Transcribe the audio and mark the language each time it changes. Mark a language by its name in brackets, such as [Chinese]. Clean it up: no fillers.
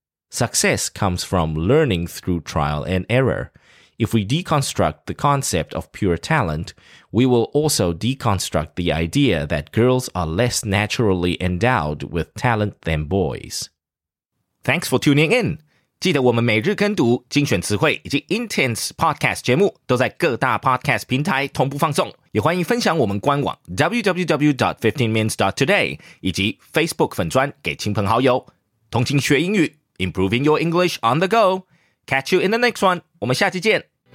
[English] Success comes from learning through trial and error. If we deconstruct the concept of pure talent, we will also deconstruct the idea that girls are less naturally endowed with talent than boys. Thanks for tuning in. [Chinese] 记得我们每日跟读精选词汇以及 Intense Podcast 节目都在各大 Podcast 平台同步放送。也欢迎分享我们官网 www.15mins.today 以及 Facebook 粉专给亲朋好友。同情学英语 [English] ，Improving your English on the go.Catch you in the next one. [Chinese] 我们下期见。